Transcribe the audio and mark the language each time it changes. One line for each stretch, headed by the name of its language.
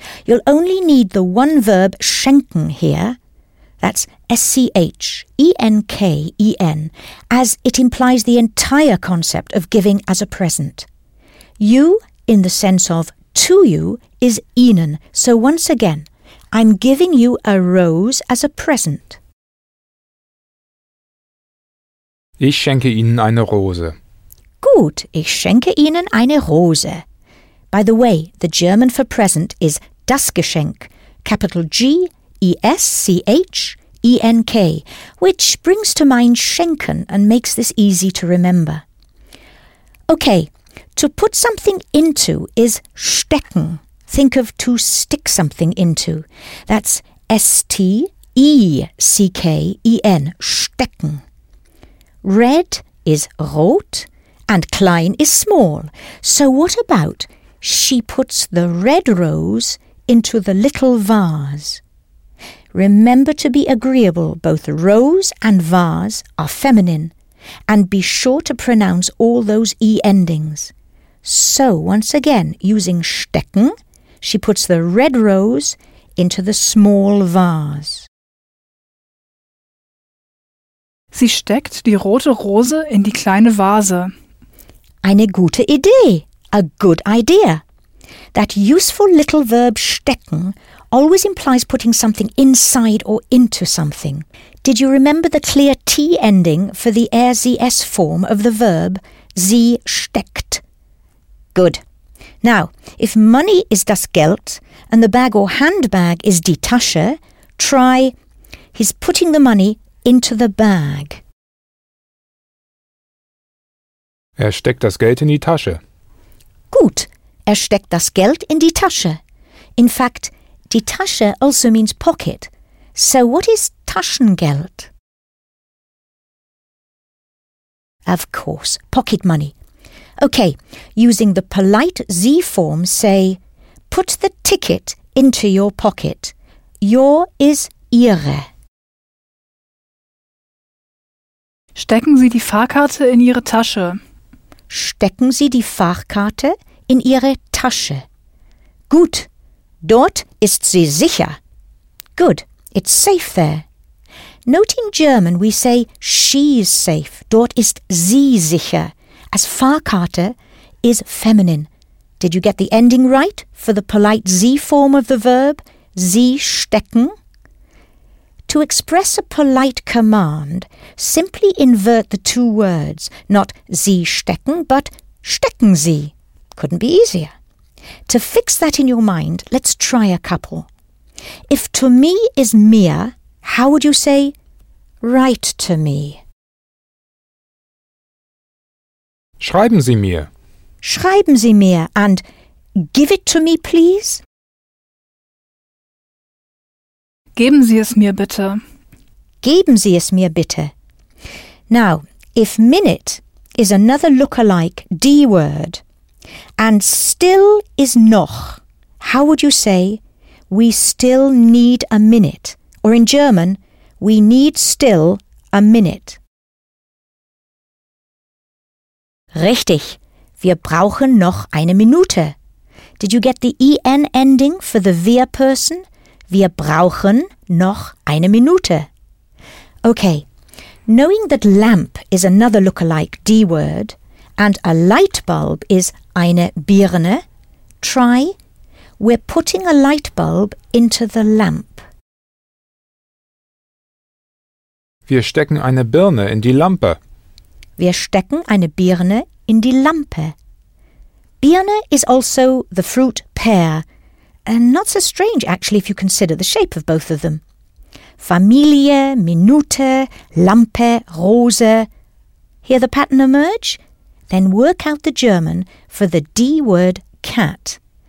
English: You'll only need the one verb schenken here. That's S-C-H-E-N-K-E-N, as it implies the entire concept of giving as a present. You, in the sense of to you, is Ihnen. So once again, I'm giving you a rose as a present.
German: Ich schenke Ihnen eine Rose. Gut, ich schenke Ihnen eine Rose.
English: By the way, the German for present is das Geschenk, capital G, E-S-C-H-E-N-K, which brings to mind schenken and makes this easy to remember. Okay, to put something into is stecken. Think of to stick something into. That's S-T-E-C-K-E-N, stecken. Red is rot and klein is small. So what about she puts the red rose into the little vase? Remember to be agreeable, both rose and vase are feminine, and be sure to pronounce all those E endings. So, once again, using stecken, she puts the red rose into the small vase.
German: Sie steckt die rote Rose in die kleine Vase. Eine gute Idee,
English: a good idea. That useful little verb stecken always implies putting something inside or into something. Did you remember the clear T ending for the RZS form of the verb sie steckt? Good. Now, if money is das Geld and the bag or handbag is die Tasche, try he's putting the money into the bag.
German: Er steckt das Geld in die Tasche. Gut. Er steckt das Geld in die Tasche.
English: In fact, die Tasche also means pocket. So what is Taschengeld? Of course, pocket money. Okay, using the polite Z form, say, put the ticket into your pocket. Your is Ihre.
German: Stecken Sie die Fahrkarte in Ihre Tasche. Stecken Sie die Fahrkarte in Ihre Tasche. Gut. Dort ist sie sicher.
English: Good. It's safe there. Note in German we say she's safe.
German: Dort ist sie sicher.
English: As Fahrkarte is feminine. Did you get the ending right for the polite Z form of the verb? Sie stecken? To express a polite command, simply invert the two words. Not sie stecken, but stecken sie. Couldn't be easier. To fix that in your mind, let's try a couple. If to me is mir, how would you say write to me?
German: Schreiben Sie mir. Schreiben Sie mir
English: and give it to me, please.
German: Geben Sie es mir bitte. Geben Sie es mir bitte.
English: Now, if minute is another look-alike D word, and still is noch, how would you say, we still need a minute? Or in German, we need still a minute.
German: Richtig, wir brauchen noch eine Minute.
English: Did you get the en ending for the wir person?
German: Wir brauchen noch eine Minute.
English: Okay, knowing that lamp is another look-alike D word, and a light bulb is eine Birne, try, we're putting a light bulb into the lamp.
German: Wir stecken eine Birne in die Lampe. Wir stecken eine Birne in die Lampe.
English: Birne is also the fruit pear, and not so strange, actually, if you consider the shape of both of them.
German: Familie, Minute, Lampe, Rose.
English: Hear the pattern emerge? Then work out the German for the D word cat.